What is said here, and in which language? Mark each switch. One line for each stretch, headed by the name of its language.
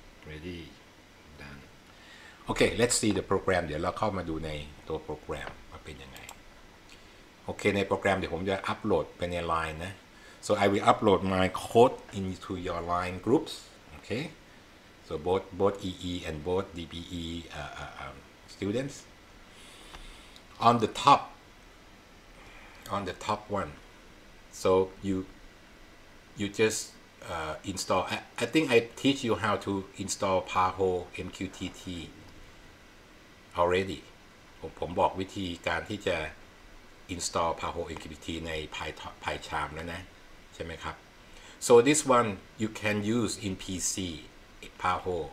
English: ready done โอเค let's see the program
Thai: เดี๋ยวเราเข้ามาดูในตัวโปรแกรมว่าเป็นยังไงโอเคในโปรแกรมเดี๋ยวผมจะอัปโหลดเป็นใน line นะ
English: so I will upload my code into your line groups โอเค so both EE and both DBE studentsOn the top one, so you just Install. I think I teach you how to install Paho MQTT already.
Thai: ผมบอกวิธีการที่จะ install Paho MQTT ใน PyCharm แล้วนะใช่ไหมครับ
English: So this one you can use in PC Paho.